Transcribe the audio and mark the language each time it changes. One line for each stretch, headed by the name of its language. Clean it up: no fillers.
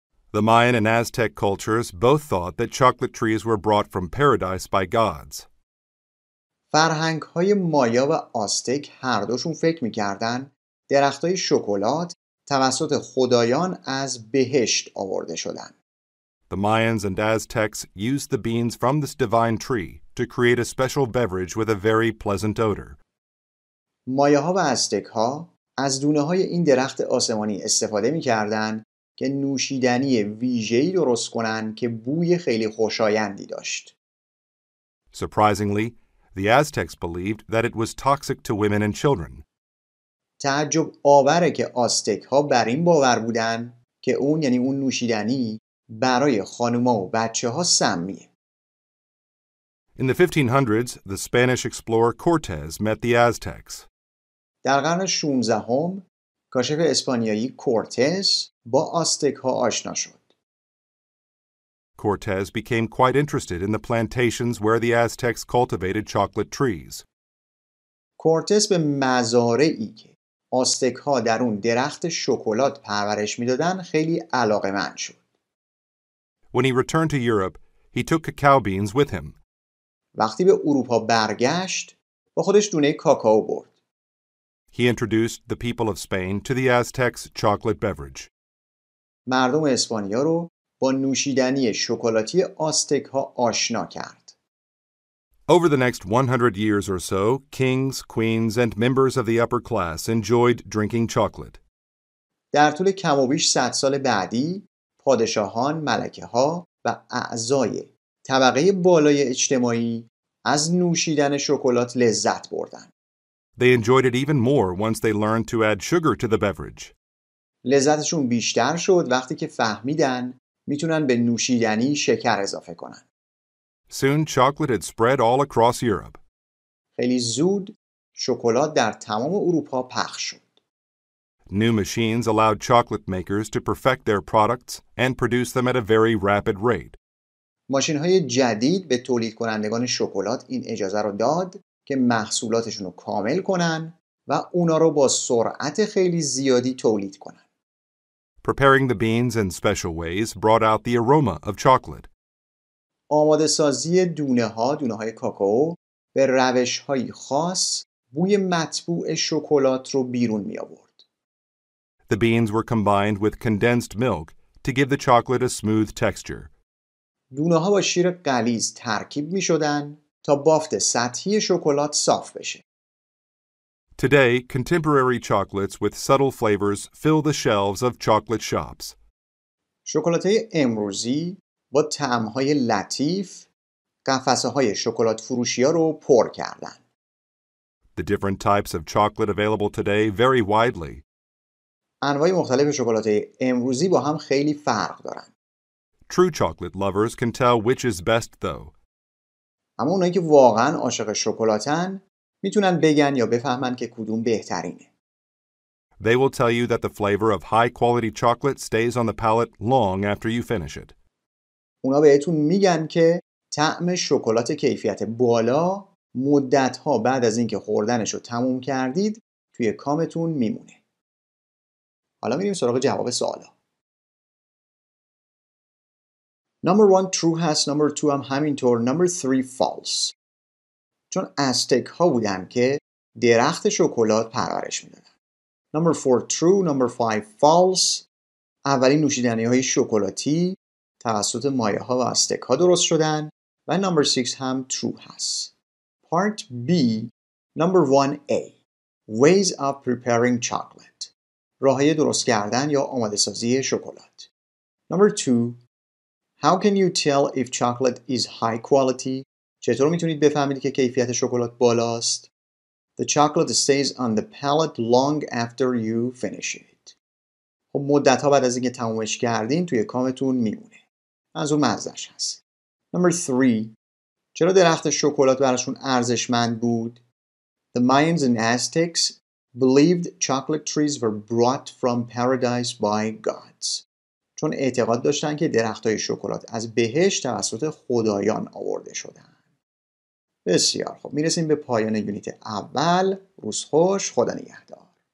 English: The Mayan and Aztec cultures both thought that chocolate trees were brought from paradise by gods.
Persian: فرهنگ‌های مایا و آستک هر دوشون فکر می‌کردن درخت‌های شکلات توسط خدایان از بهشت آورده شدن.
English: The Mayans and Aztecs used the beans from this divine tree to create a special beverage with a very pleasant odor.
Persian: مایاها و آستک‌ها از دونه‌های این درخت آسمانی استفاده می‌کردن که نوشیدنی ویژه‌ای درست کنن که بوی خیلی خوشایندی داشت.
English: Surprisingly, the Aztecs believed that it was toxic to women and children.
Persian: تعجب آوره که آستک ها بر این باور بودن که اون یعنی اون نوشیدنی برای خانوما و بچه ها سمیه.
English: In the 1500s, the Spanish explorer Cortez met the Aztecs.
Persian: در قرن 16 کاشف اسپانیایی کورتز با آستک ها آشنا شد.
English: Cortez became quite interested in the plantations where the Aztecs cultivated chocolate trees.
Persian: کورتز به مزارعی که آستک ها در اون درخت شکلات پرورش میدادن خیلی علاقمند شد.
English: When he returned to Europe, he took cacao beans with him.
Persian: وقتی به اروپا برگشت، با خودش دونه کاکائو برد.
English: He introduced the people of Spain to the Aztecs' chocolate beverage.
Persian: مردم اسپانیا رو با نوشیدنی شکلاتی آستک ها آشنا کرد.
English: Over the next 100 years or so, kings, queens and members of the upper class enjoyed drinking chocolate.
Persian: در طول کم و بیش 100 سال بعدی، پادشاهان، ملکه ها و اعضای طبقه بالای اجتماعی از نوشیدن شکلات لذت بردند.
English: They enjoyed it even more once they learned to add sugar to the beverage.
Persian: لذتشون بیشتر شد وقتی که فهمیدن میتونن به نوشیدنی شکر اضافه کنن.
English: Soon chocolate had spread all across Europe.
Persian: خیلی زود شکلات در تمام اروپا پخش شد.
English: New machines allowed chocolate makers to perfect their products and produce them at a very rapid rate.
Persian: ماشین‌های جدید به تولید کنندگان شکلات این اجازه رو داد که محصولاتشون رو کامل کنن و اونا رو با سرعت خیلی زیادی تولید کنن.
English: Preparing the beans in special ways brought out the aroma of chocolate.
Persian: آماده سازی دونه های کاکائو به روش های خاص بوی مطبوع شکلات رو بیرون می آورد.
English: The beans were combined with condensed milk to give the chocolate a smooth texture.
Persian: دونه ها با شیر غلیظ ترکیب می شدن تا بافت سطحی شکلات صاف بشه.
English: Today, contemporary chocolates with subtle flavors fill the shelves of chocolate shops.
Persian: شکلات‌های امروزی با طعم‌های لطیف قفسه‌های شکلات فروشی‌ها رو پر کردن.
English: The different types of chocolate available today vary widely.
Persian: انواع مختلف شکلات‌های امروزی با هم خیلی فرق دارن.
English: True chocolate lovers can tell which is best though.
Persian: اما اونایی که واقعا عاشق شکلاتن میتونن بگن یا بفهمن که کدوم بهترینه.
English: They will tell you that the flavor of high quality chocolate stays on the palate long after you finish it.
Persian: اونا بهتون میگن که طعم شکلات کیفیت بالا مدت‌ها بعد از اینکه خوردنش رو تموم کردید توی کامتون میمونه. حالا میریم سراغ جواب سوالا.
English: Number 1 true has number 2 am
Persian: همینطور
English: number 3 false.
Persian: چون استک ها بودن که درخت شکلات پرورش میدادن.
English: Number 4 true number 5 false.
Persian: اولین نوشیدنی های شکلاتی توسط مایه ها و استک ها درست شدن و
English: number 6
Persian: هم true هست.
English: Part B number 1 A ways of preparing chocolate.
Persian: راه های درست کردن یا آماده سازی شکلات.
English: Number 2 How can you tell if chocolate is high quality?
Persian: چطور میتونید بفهمید که کیفیت شکلات بالاست؟
English: The chocolate stays on the palate long after you finish it.
Persian: خب مدت ها بعد از اینکه تمومش کردین توی کامتون میمونه. از اون مزه‌اش هست.
English: Number 3.
Persian: چرا درخت شکلات براشون ارزشمند بود؟
English: The Mayans and Aztecs believed chocolate trees were brought from paradise by gods.
Persian: چون اعتقاد داشتن که درخت‌های شکلات از بهشت توسط خدایان آورده شدن. بسیار خب، میرسیم به پایان یونیت اول. روز خوش، خدا نگهدار.